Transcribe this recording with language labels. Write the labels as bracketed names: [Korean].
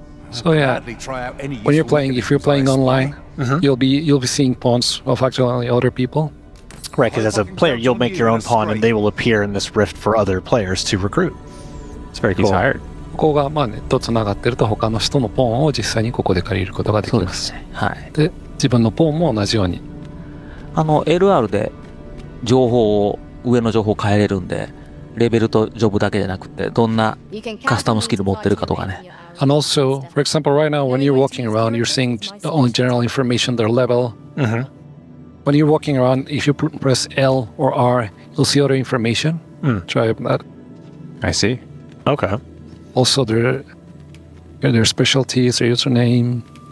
[English] So yeah, when you're playing, if you're playing online, you'll be seeing pawns of actually other people. Right, because as a player, you'll make your own pawn and they will appear in this rift for other players to recruit. It's very cool. He's hired. [Japanese] ここがまあネットつながってると他の人のポーンを実際にここで借りることができます。そうですね。はい。で、自分のポーンも同じように。あの、LR で情報を上の情報変えれるんで、レベルとジョブだけでなくて、どんなカスタムスキル持ってるかとかね。 [English] And also, for example, right now, when you're walking around, you're seeing the only general information, their level.、 Mm-hmm. When you're walking around, if you press L or R, you'll see other information.、 Mm. Try that. I see. Okay. Also, their specialties, their username.